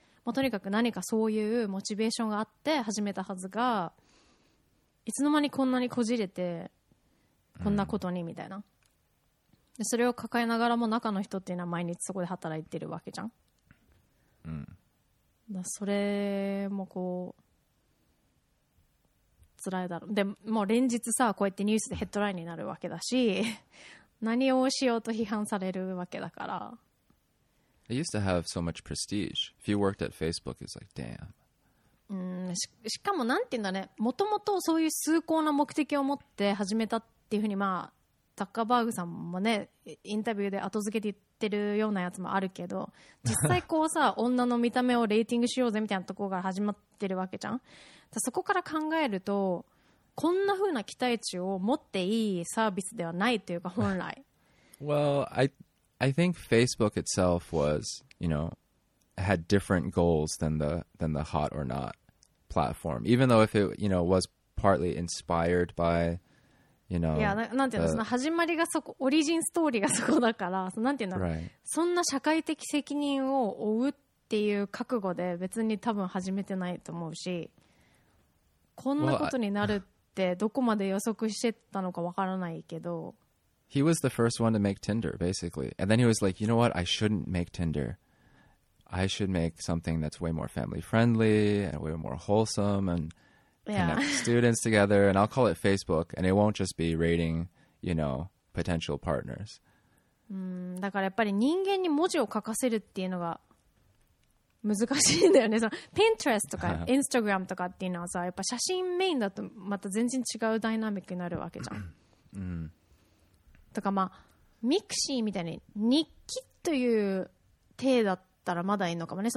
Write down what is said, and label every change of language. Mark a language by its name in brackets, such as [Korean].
[Japanese] もうとにかく何かそういうモチベーションがあって始めたはずが、いつの間にこんなにこじれてこんなことにみたいな、うん、でそれを抱えながらも中の人っていうのは毎日そこで働いてるわけじゃん、うん、だそれもこう辛いだろう。でもう連日さ、こうやってニュースでヘッドラインになるわけだし、何をしようと批判されるわけだから。 [English] I used to have so much prestige. If you worked at Facebook, it's like, damn. [Japanese] しかもなんていうんだね、もともとそういう崇高な目的を持って始めたっていうふうに、まあ、ザッカーバーグさんもね、インタビューで後付けて言ってるようなやつもあるけど、実際こうさ、女の見た目をレーティングしようぜみたいなところから始まってるわけじゃん。だそこから考えると、こんなふうな期待値を持っていいサービスではないというか、本来。 [English] Well, I think Facebook itself was, you know, had different goals than the hot or not platform. Even though if it, you know, was partly inspired by, you know, [Japanese] yeah, なんていうの、その始まりがそこ、オリジンストーリーがそこだから、そのなんていうの、 [English] right. [Japanese] そんな社会的責任を負うっていう覚悟で別に多分始めてないと思うし、こんなことになるってどこまで予測してたのかわからないけど。 [English] He was the first one to make Tinder, basically. And then he was like, you know what? I shouldn't make Tinder. I should make something that's way more family-friendly and way more wholesome and connect students together. And I'll call it Facebook. And it won't just be rating, you know, potential partners. [Japanese] だからやっぱり人間に文字を書かせるっていうのが難しいんだよね。その Pinterest とか Instagram とかっていうのはさ、やっぱ写真メインだとまた全然違うダイナミックになるわけじゃん。うん。とかまあ、ミクシーみたいに日記という体だったらまだいいのかもね。